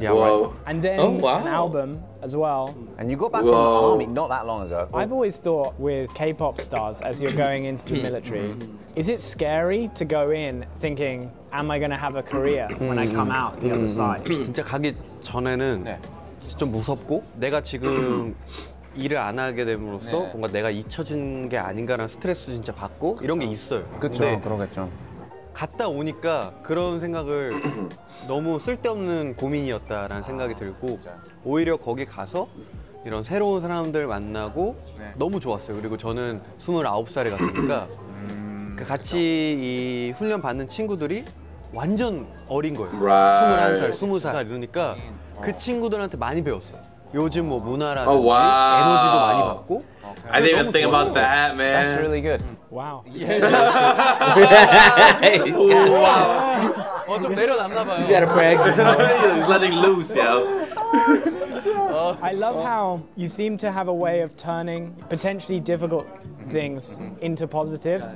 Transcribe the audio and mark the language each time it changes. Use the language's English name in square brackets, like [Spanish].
[English] Yeah, whoa. Right. And then oh, wow. an album as well. And you got back whoa. From the army not that long ago. I've always thought with K-pop stars, as you're going into the military, is it scary to go in thinking, am I going to have a career when I come out the other side? [Korean] 진짜 가기 전에는 네. 좀 무섭고 내가 지금 일을 안 하게 됨으로써 네. 뭔가 내가 잊혀진 게 아닌가라는 스트레스 진짜 받고 그쵸. 이런 게 있어요. 그렇죠, 그러겠죠. 갔다 오니까 그런 생각을 너무 쓸데없는 고민이었다라는 생각이 들고 오히려 거기 가서 이런 새로운 사람들 만나고 너무 좋았어요. 그리고 저는 29살에 갔으니까 같이 이 훈련 받는 친구들이 완전 어린 거예요. 21살, 20살 이러니까 그 친구들한테 많이 배웠어요. 요즘 뭐 문화라든지 [English] oh, wow. [Korean] 에너지도 많이 받고 [English] okay. I didn't even think about that, man. That's really good. Wow. Yeah. Wow. Wow. Wow. [Korean] 어, 좀 내려놨나 봐요. [English] You gotta practice. He's letting loose, yo. I love how you seem to have a way of turning potentially difficult things into positives.